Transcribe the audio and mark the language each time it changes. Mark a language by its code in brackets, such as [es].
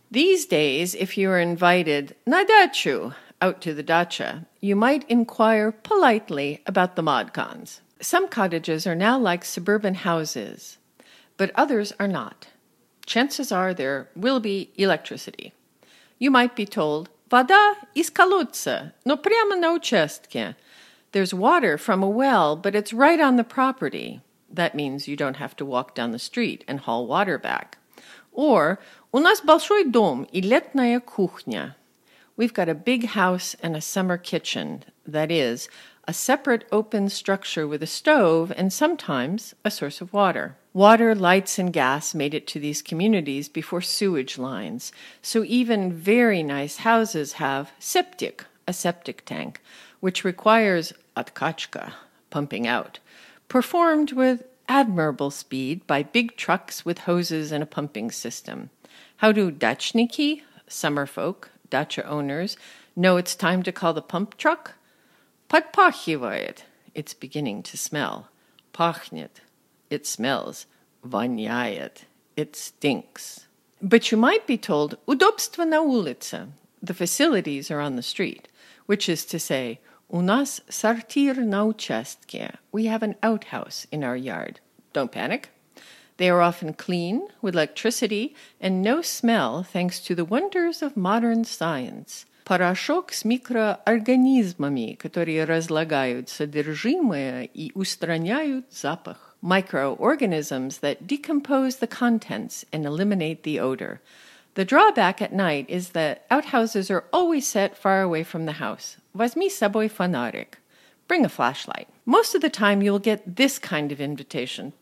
[en] These days, if you are invited [ru] na dachu, [en] out to the dacha, you might inquire politely about the modkons. Some cottages are now like suburban houses, but others are not. Chances are there will be electricity. You might be told, [ru] Вода из колодца, но прямо на участке. [en] There's water from a well, but it's right on the property. That means you don't have to walk down the street and haul water back. Or, [ru] У нас большой дом и летная кухня. [en] We've got a big house and a summer kitchen, that is, a separate open structure with a stove and sometimes a source of water. Water, lights, and gas made it to these communities before sewage lines, so even very nice houses have septic, a septic tank, which requires [ru] откачка, [en] pumping out, performed with admirable speed by big trucks with hoses and a pumping system. How do dachniki, summer folk, dacha owners, know it's time to call the pump truck? [ru] Подпахивает. [en] It's beginning to smell. [ru] Пахнет. [en] It smells. [ru] Воняет. [en] It stinks. But you might be told, [ru] Удобство на улице. [en] The facilities are on the street. Which is to say, [ru] У нас сортир на участке. [en] We have an outhouse in our yard. Don't panic. They are often clean, with electricity, and no smell thanks to the wonders of modern science. [ru] Порошок с микроорганизмами, которые разлагают содержимое и устраняют запах. [en] Microorganisms that decompose the contents and eliminate the odor. The drawback at night is that outhouses are always set far away from the house. [ru] Возьми с собой фонарик. [en] Bring a flashlight. Most of the time you'll get this kind of invitation.